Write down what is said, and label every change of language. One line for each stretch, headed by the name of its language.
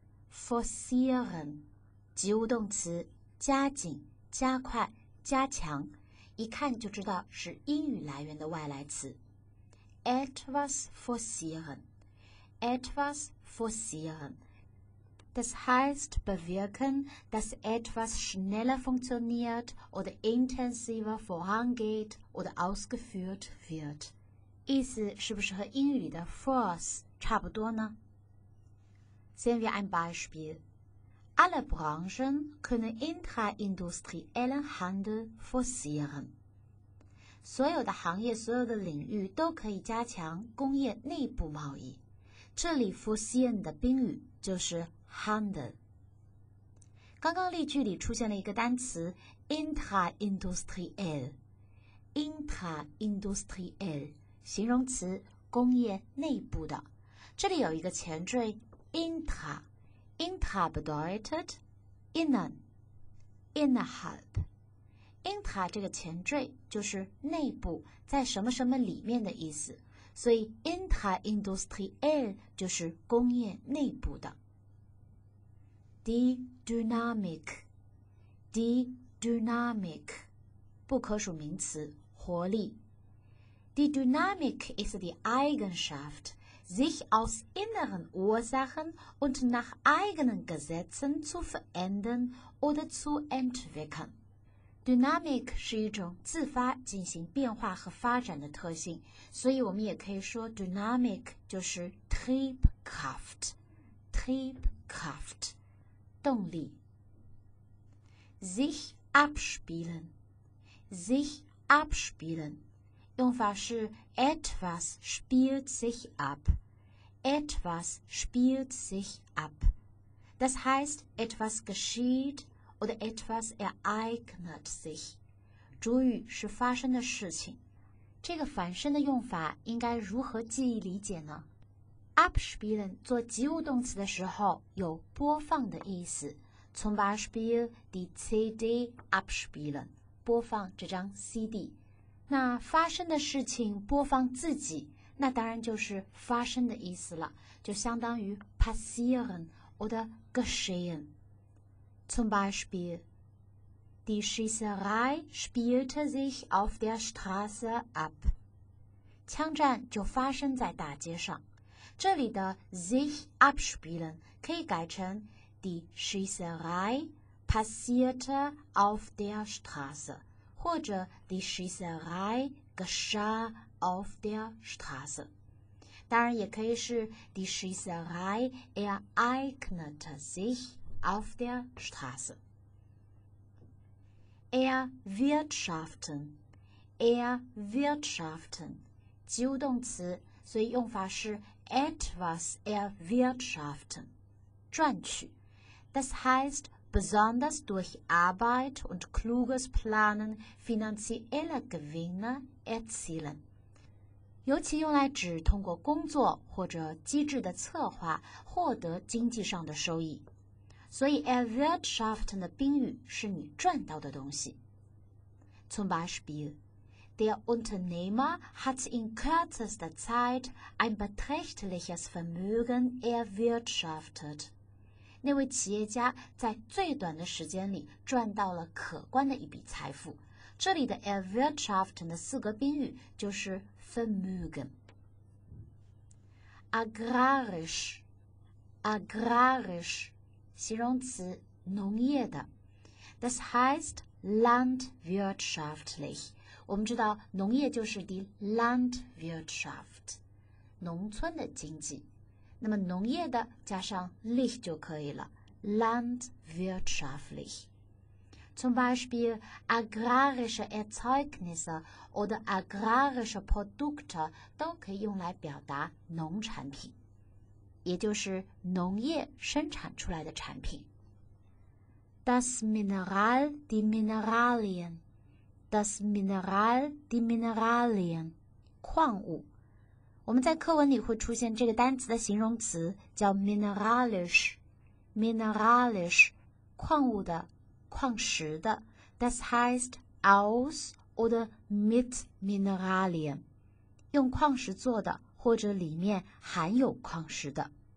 Chinese: Forcieren 及物动词，加紧、加快、加强，一看就知道是英语来源的外来词。
German: Etwas forcieren Das heißt bewirken, dass etwas schneller funktioniert oder intensiver vorangeht oder ausgeführt wird.
Chinese: 意思是不是和英语的 force 差不多呢？
German: Sehen wir ein Beispiel. Alle Branchen können intraindustriellen Handel forcieren.
Chinese: 所有的行业、所有的领域都可以加强工业内部贸易。这里 forcieren 的宾语就是Handel. 刚刚例句里出现了一个单词 intraindustriell 形容词，工业内部的。这里有一个前缀 intra
German: bedeutet innen, innerhalb.
Chinese: intra 这个前缀就是内部，在什么什么里面的意思，所以 intraindustriell 就是工业内部的。
German: Die Dynamik,
Chinese: 不可数名词活力。
German: Die Dynamik ist die Eigenschaft, sich aus inneren Ursachen und nach eigenen Gesetzen zu verändern oder zu entwickeln.
Chinese: Dynamik 是一种自发进行变化和发展的特性，所以我们也可以说 Dynamik 就是 Triebkraft, Triebkraft, 动力。
German: Sich abspielen, sich abspielen.
Chinese: 用法是
German: etwas spielt sich ab, etwas spielt sich ab. Das heißt, etwas geschieht oder etwas ereignet sich.
Chinese: 主语是发生的事情。这个反身的用法应该如何记忆理解呢？ Abspielen 做及物动词的时候有播放的意思。
German: Zum Beispiel die CD abspielen,
Chinese: 播放这张
German: CD.
Chinese: 那发生的事情播放自己，那当然就是发生的意思了，就相当于
German: passieren oder geschehen. Zum Beispiel, die Schießerei spielte sich auf der Straße ab.
Chinese: 枪战就发生在大街上。这里的 sich abspielen 可以改成
German: die Schießerei passierte auf der Straße.
Chinese: 或者
German: die Schießerei geschah auf der Straße.
Chinese: 当然也可以是
German: die Schießerei ereignete sich auf der Straße.
Chinese: Erwirtschaften, erwirtschaften, 及物动词，所以用法是
German: etwas erwirtschaften,
Chinese: 赚取。
German: Das heißt,besonders durch Arbeit und kluges Planen finanzielle Gewinne erzielen.
Chinese: 尤其用来指通过工作或者机智的策划获得经济上的收益。所以 erwirtschaften 的宾语是你赚到的东西。
German: Zum Beispiel, der Unternehmer hat in kürzester Zeit ein beträchtliches Vermögen erwirtschaftet.
Chinese: 那位企业家在最短的时间里赚到了可观的一笔财富。这里的 erwirtschaften 的四个宾语就是 Vermögen。 Agrarisch, agrarisch, 形容词农业的。
German: Das heißt landwirtschaftlich.
Chinese: 我们知道农业就是 die Landwirtschaft, 农村的经济。那么农业的加上 lich 就可以了 landwirtschaftlich.
German: Zum Beispiel, agrarische Erzeugnisse oder agrarische Produkte
Chinese: 都可以用来表达农产品，也就是农业生产出来的产品。
German: Das Mineral, die Mineralien. Das Mineral, die Mineralien.
Chinese: 矿物。我们在课文里会出现这个单词的形容词叫 mineralisch, mineralisch, 矿物的、矿石的。
German: Das heißt aus oder mit Mineralien,
Chinese: 用矿石做的或者里面含有矿石的。